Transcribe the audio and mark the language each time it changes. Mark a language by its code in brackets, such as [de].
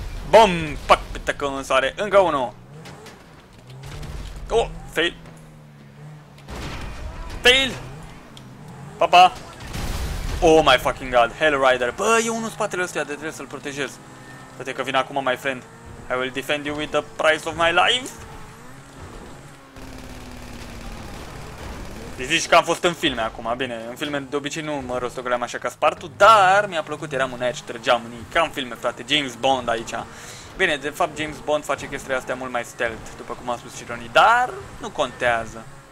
[ro] Bum, pac, pitacă în soare, încă unul. Oh, fail. Fail. Pa, pa. [en] Oh my fucking god, [ro] Hellrider, bă, e unul în spatele ăstuia, de trebuie să-l protejez. Uite că vine acum, [en] my friend. I will defend you with the price of my life. [ro] Deci zici că am fost în filme acum, bine, în filme de obicei nu mă rostogoleam așa ca Spartul, dar mi-a plăcut, eram un aici, trăgeam în ei, ca în filme, frate, James Bond aici. Bine, de fapt James Bond face chestiile astea mult mai stealth, după cum a spus și Ronnie, dar nu contează.